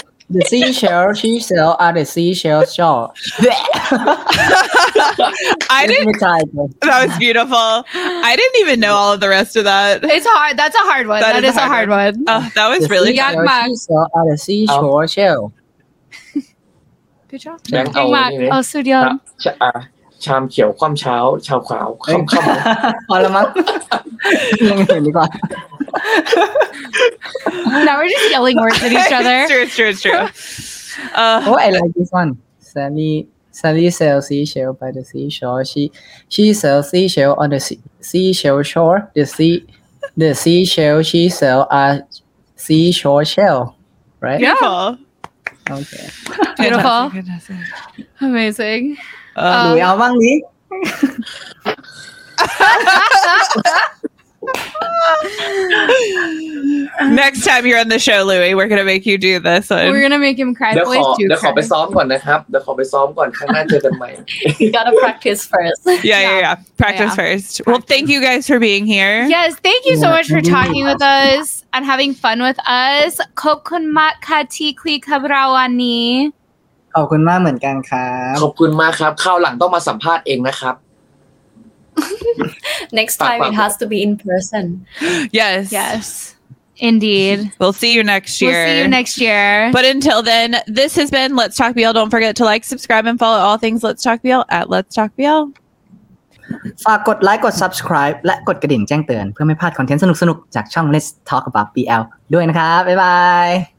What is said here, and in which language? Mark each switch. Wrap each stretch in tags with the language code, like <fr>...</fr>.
<en>The seashell she sells are the seashell shells. That was beautiful. I didn't even know all of the rest of that. It's hard. That's a hard one. That is a hard one. Oh, that was really good. Seashell are the seashore shell. Good job. Oh, studio.</en> <th>ชามเขียวคว่ำเช้าชาวขาวค่ำ พอแล้วมั้งยังเห็นดีกว่า</th> <en>Now we're just yelling words at each other It's true Oh I like this one Sally sells seashell by the seashore She sells seashell on the seashell shore The seashell she sells are seashore shell Right? Yeah Okay Beautiful Amazing</en> <th>หนูเอาบ้างนี้</th> <en>Next time you're on the show, Louis, we're gonna make you do this one. We're gonna make him cry.</en> <th>เดี๋ยวขอไปซ้อมก่อนนะครับเดี๋ยวขอไปซ้อมก่อนครั้งหน้าเจอกันใหม่</th> <en>You gotta practice first. Yeah. Practice first. Well, thank you guys for being here. Yes, thank you so much for talking with us and having fun with us.</en> <th>ขอบคุณมากค่ะที่คลีคับเราวันนี้ ขอบคุณมากเหมือนกันครับ ขอบคุณมากครับคราวหลังต้องมาสัมภาษณ์เองนะครับ</th> <en>Next time it has to be in person Yes Indeed We'll see you next year But until then This has been Let's Talk BL Don't forget to like, subscribe and follow all things Let's Talk BL at Let's Talk BL</en> <th>ฝากกดไลค์กด subscribe และกดกระดิ่งแจ้งเตือนเพื่อไม่พลาดคอนเทนต์สนุกๆจากช่อง Let's Talk About BL ด้วยนะครับบ๊ายบาย</th>